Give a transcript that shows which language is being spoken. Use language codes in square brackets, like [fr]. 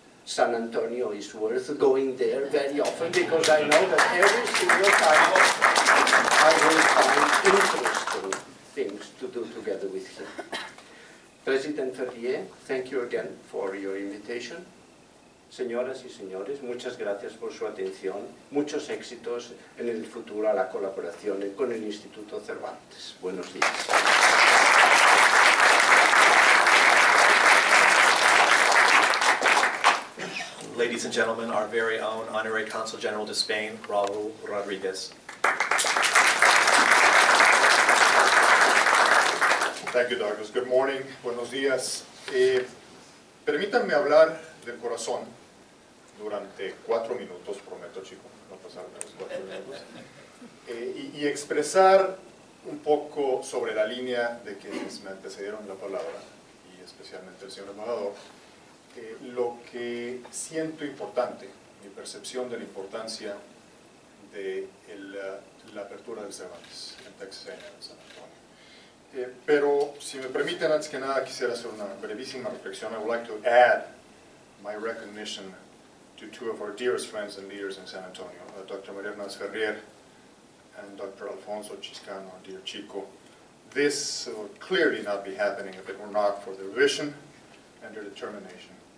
[en] San Antonio is worth going there very often, because I know that every single time I will find interesting things to do together with him. President Ferrier, thank you again for your invitation. [es] Señoras y señores, muchas gracias por su atención. Muchos éxitos en el futuro a la colaboración con el Instituto Cervantes. Buenos días. [en] Ladies and gentlemen, our very own Honorary Consul General to Spain, Raul Rodriguez. Thank you, Douglas. Good morning. [es] Buenos días. Permítanme hablar del corazón durante 4 minutos, prometo, chico, no pasar menos 4 minutos, y expresar un poco sobre la línea de quienes me antecedieron la palabra, y especialmente el señor embajador, lo que siento importante, mi percepción de la importancia de la apertura del Cervantes en Texas A&M en San Antonio. Pero si me permiten, antes que nada quisiera hacer una brevísima reflexión. [en] I would like to add my recognition to two of our dearest friends and leaders in San Antonio, Dr. María Hernández Ferrier and Dr. Alfonso Chiscano, dear Chico. This would clearly not be happening if it were not for their vision and their determination.